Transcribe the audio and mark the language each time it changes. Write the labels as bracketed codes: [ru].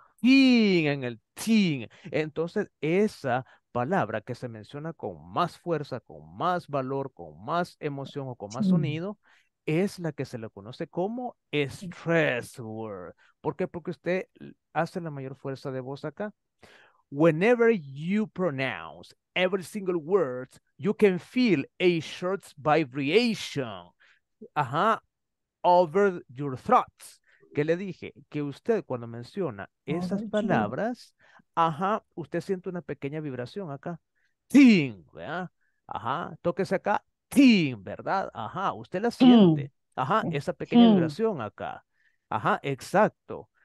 [es] Teen, en el teen. Entonces, esa palabra que se menciona con más fuerza, con más valor, con más emoción o con más sonido, es la que se le conoce como stress word. ¿Por qué? Porque usted hace la mayor fuerza de voz acá. [en] Whenever you pronounce every single word, you can feel a short vibration, over your throats. [es] ¿Qué le dije? Que usted cuando menciona esas palabras, ajá, usted siente una pequeña vibración acá. Ting, ¿verdad? Ajá, tóquese acá. Ting, ¿verdad? Ajá, usted la siente. Ajá, esa pequeña vibración acá. Ajá, exacto.